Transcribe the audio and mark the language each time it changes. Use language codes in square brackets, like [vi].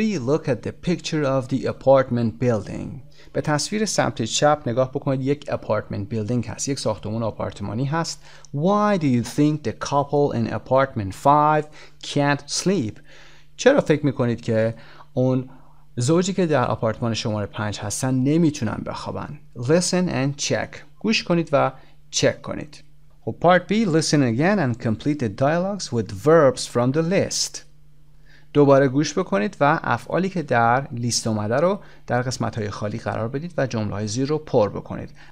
[en] Look at the picture of the apartment building. [fa] به تصویر سمت چپ نگاه بکنید. یک [en] apartment building [fa] هست. یک ساختمان آپارتمانی هست. [en] Why do you think the couple in apartment 5 can't sleep? [fa] چرا فکر میکنید که اون زوجی که در آپارتمان شماره 5 هستن نمیتونن بخوابن؟ [en] Listen and check. [fa] گوش کنید و چک کنید. [en] Well, part B, listen again and complete the dialogues with verbs from the list. [fa] دوباره گوش بکنید و افعالی که در لیست اومده رو در قسمت‌های خالی قرار بدید و جمله‌های زیر رو پر بکنید.